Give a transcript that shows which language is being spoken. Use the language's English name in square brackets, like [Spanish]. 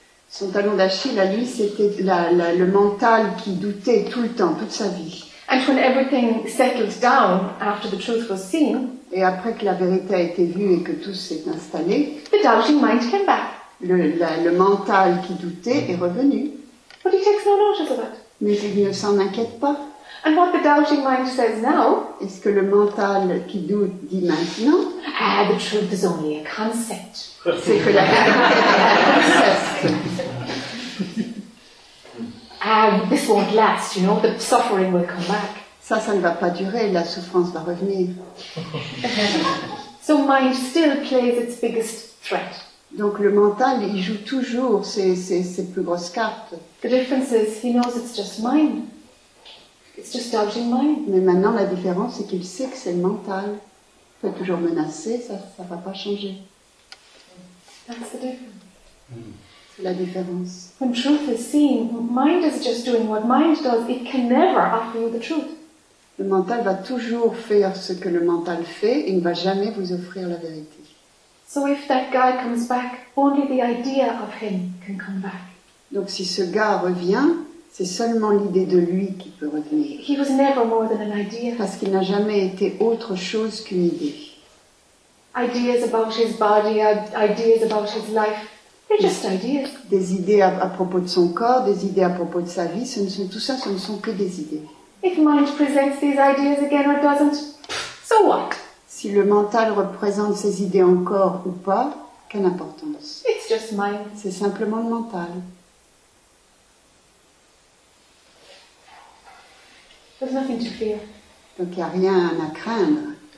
[French] Son talon d'Achille à lui, c'était le mental qui doutait tout le temps, toute sa vie. [English] And when everything settled down after the truth was seen, [French] et après que la vérité a été vue et que tout s'est installé, [English] the doubting mind came back. [French] Le mental qui doutait est revenu. [English] But he takes no notice of that. [French] Mais il ne s'en inquiète pas. [English] And what the doubting mind says now? [French] Est-ce que le mental qui doute dit maintenant? [English] Ah, the truth is only a concept. [French] C'est que la vérité est un concept. [English] This won't last, you know. The suffering will come back. [French] Ça ne va pas durer. La souffrance va revenir. [English] So mind still plays its biggest threat. [French] Donc le mental, il joue toujours ses plus grosses cartes. [English] The difference is, he knows it's just mine. It's just doubting mine. [French] Mais maintenant, la différence, c'est qu'il sait que c'est le mental. Il peut toujours menacer, ça va pas changer. [English] That's the difference. [French] C'est la différence. [English] When truth is seen, mind is just doing what mind does. It can never offer you the truth. [French] Le mental va toujours faire ce que le mental fait et ne va jamais vous offrir la vérité. [English] So if that guy comes back, only the idea of him can come back. [French] Donc si ce gars revient, c'est seulement l'idée de lui qui peut revenir. [English] He was never more than an idea. [French] Parce qu'il n'a jamais été autre chose qu'une idée. [English] Ideas about his body, ideas about his life, they're just ideas. [French] Des idées à propos de son corps, des idées à propos de sa vie, ce ne sont que des idées. [English] If mind presents these ideas again or doesn't, so what? [French] Si le mental représente ses idées encore ou pas, quelle importance? [English] It's just mine. [French] C'est simplement le mental. [English] There's nothing to fear. [French] Donc il n'y a rien à craindre.